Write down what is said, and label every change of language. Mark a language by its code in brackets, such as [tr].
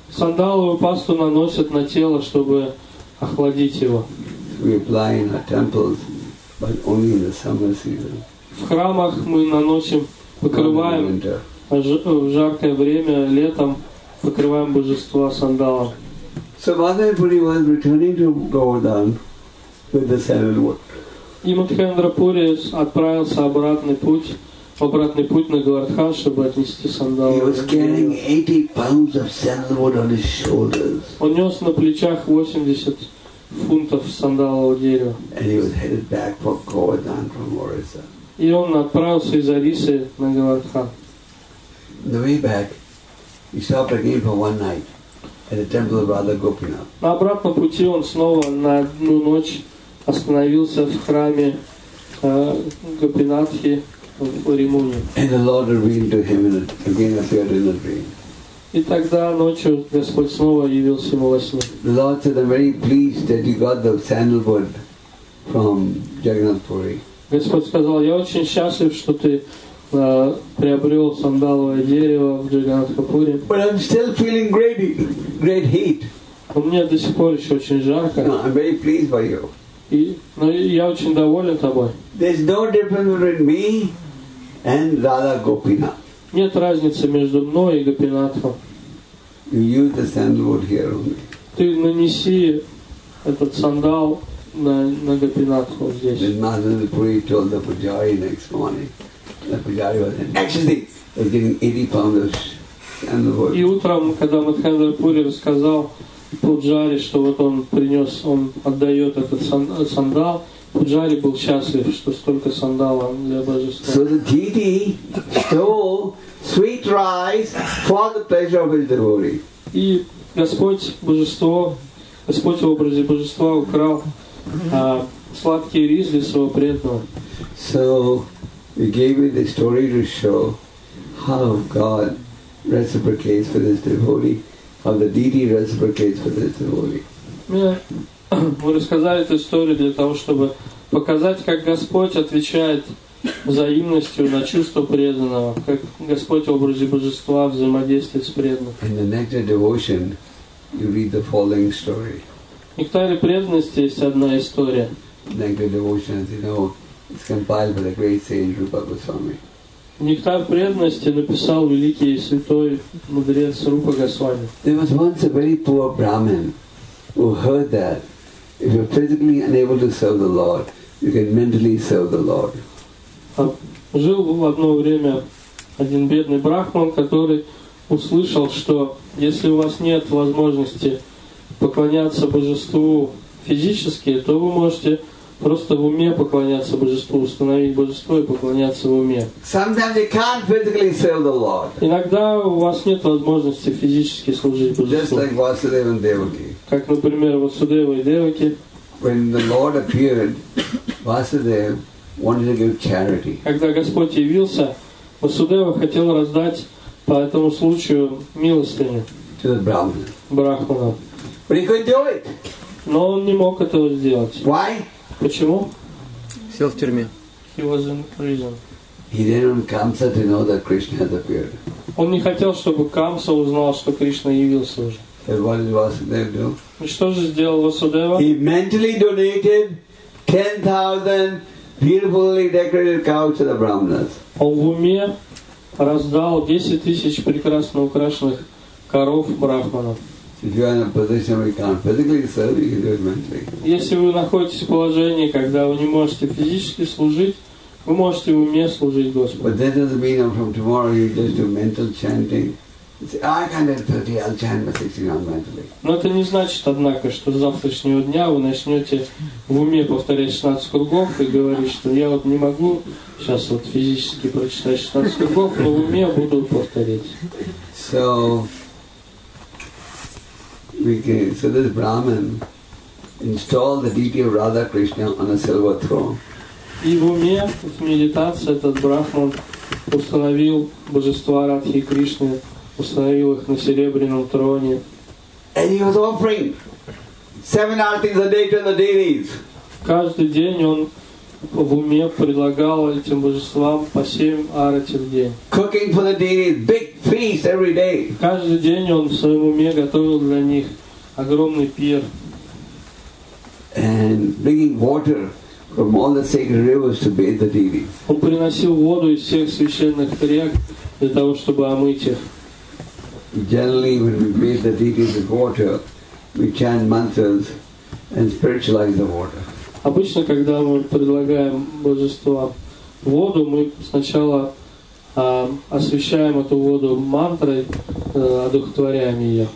[ru] Сандаловую пасту наносят на тело, чтобы охладить его. [en] We apply in our temples. But only in the summer season. [ru] В храмах мы наносим, покрываем в жаркое время, летом, покрываем божества сандалом. [en] So Madhavendra Puri was returning to Govardhan with the sandalwood. [ru] И Мадхендра Пури отправился в обратный путь на Говардхан, чтобы отнести сандал. [en] He was carrying 80 pounds of sandalwood on his shoulders. [ru] Он нес на плечах 80 фунтов сандалового дерева. [en] And he was headed back for Govardhan from Orissa. [ru] И он отправился из Орисы на Говардхан. [en] The way back, he stopped again for one night at the temple of Radha Gopinath. [ru] На обратном пути он снова на одну ночь остановился в храме Гопинатхи. [en] And the Lord revealed to him and again appeared in a dream. [ru] И тогда ночью Господь снова явился ему во сне. [en] The Lord said, I'm very pleased that you got the sandalwood from Jagannath Puri. [ru] Господь сказал, я очень счастлив, что ты приобрел сандаловое дерево в Джаганатхапуре. [en] But I'm still feeling great heat. [ru] У меня до сих пор еще очень жарко. [en] No, I'm very pleased by you. [ru] И, но я очень доволен тобой. [en] There's no difference between me and Radha Gopinath. [ru] Нет разницы между мной и Гопинатхом. [en] You use the sandalwood here only. [ru] Ты нанеси этот сандал на Гопинатху здесь. [en] Then Madhavendra Puri told the Pujari next morning. The Pujari was in ecstasy. He was getting 80 pounds of sandalwood. [ru] И утром, когда Мадхавендра Пури рассказал Пуджари, что вот он принес, он отдает этот сандал. Пуджари был счастлив, что столько сандала для божества. [en] So the deity stole sweet rice for the pleasure of his devotee. [ru] И Господь в образе божества украл сладкий рис для своего преданного. [en] So he gave me the story to show how God reciprocates for his devotee. Of the deity reciprocates for this devotee. [ru] Мы рассказали эту историю для того, чтобы показать, как Господь отвечает взаимностью на чувство преданного, как Господь в образе божества взаимодействует с преданным. [en] In the nectar devotion, you read the following story. [ru] В нектаре преданности есть одна история. [en] Nectar devotion, as you know, it's compiled by the great sage Rupa Goswami. [ru] Нектар преданности написал великий святой мудрец Рупа Госвами. [en] There was once a very poor Brahmin who heard that if you're physically unable to serve the Lord, you can mentally serve the Lord. [ru] Жил в одно время один бедный брахман, который услышал, что если у вас нет возможности поклоняться божеству физически, то вы можете просто в уме поклоняться божеству, установить божество и поклоняться в уме. [en] Sometimes you can't physically serve the Lord. [ru] Иногда у вас нет возможности физически служить божеству. [en] Just like Vasudeva and Devaki. [ru] Как, например, Васудева и Деваки. [en] When the Lord appeared, Vasudeva wanted to give charity. [ru] Когда Господь явился, Васудева хотел раздать по этому случаю милостыню. [en] To the Brahmana. [ru] Брахмана. [en] But he couldn't do it. [ru] Но он не мог этого сделать. [en] Why? [ru] Почему? Сел в тюрьме. [en] He was in prison. He didn't come so to know that Krishna had appeared. [ru] Он не хотел, чтобы Камса узнал, что Кришна явился уже. [en] And what did Vasudeva do? [ru] И что же сделал Васудева? [en] He mentally donated 10,000 beautifully decorated cows to the Brahmanas. [ru] Он в уме раздал 10,000 прекрасно украшенных коров брахманам. [en] If you are in a position where you can't physically serve, you can do it mentally. [ru] Если вы находитесь в положении, когда вы не можете физически служить, вы можете в уме служить Господу. [en] But that doesn't mean that from tomorrow you just do mental chanting. You say, I can't do 30, I'll chant my 69 mentally. [ru] Но это не значит, однако, что с завтрашнего дня вы начнете в уме повторять 16 кругов и говорить, что я вот не могу сейчас вот физически прочитать 16 кругов, но в уме буду повторять. [en] So. So this Brahmin installed the deity of Radha Krishna on a silver throne. [ru] И в уме, в медитации, этот брахман установил божества Радхи Кришны, установил их на серебряном троне. [en] And he was offering 7 artis a day to the deities. [ru] Каждый день он в уме предлагал этим божествам по 7 арати в день. [en] Cooking for the deities, big feast every day. [ru] Каждый день он в своем уме готовил для них огромный пир. [en] And bringing water from all the sacred rivers to bathe the deities. [ru] Он приносил воду из всех священных рек для того, чтобы омыть их. [en] Generally, when we bathe the deities with water, we chant mantras and spiritualize the water. [ru] Обычно, когда мы предлагаем божеству воду, мы сначала освещаем эту воду мантрой, одухотворяем ее.